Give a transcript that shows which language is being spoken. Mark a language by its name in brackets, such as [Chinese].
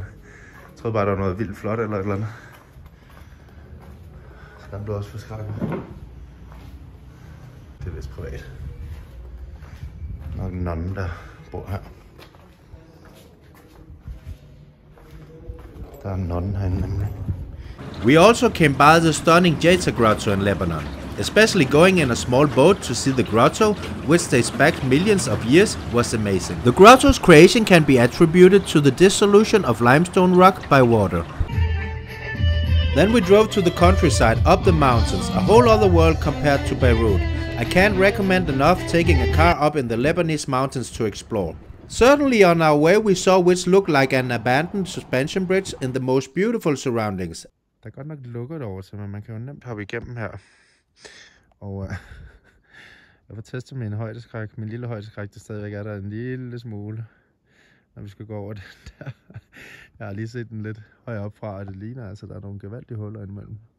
[Danish] Jeg troede bare, der var noget vildt flot eller et eller andet. Så han blev også forskrækket. vist privat. Nok en nonne, der bor her. Der er en nonne herinde nemlig. [English] We also came by the stunning Jaitza Grotto in Lebanon, especially going in a small boat to see the grotto, which dates back millions of years, was amazing. The grotto's creation can be attributed to the dissolution of limestone rock by water. Then we drove to the countryside, up the mountains, a whole other world compared to Beirut. I can't recommend enough taking a car up in the Lebanese mountains to explore. Certainly on our way we saw which looked like an abandoned suspension bridge in the most beautiful surroundings. [Danish] Der er godt nok lukket over, så man kan jo nemt hoppe igennem her. Og jeg får testet min højdeskræk. Min lille højdeskræk, der stadigvæk er der en lille smule, når vi skal gå over den der. Jeg har lige set den lidt højere op fra, og det ligner altså, der er nogle gevaldige huller indimellem.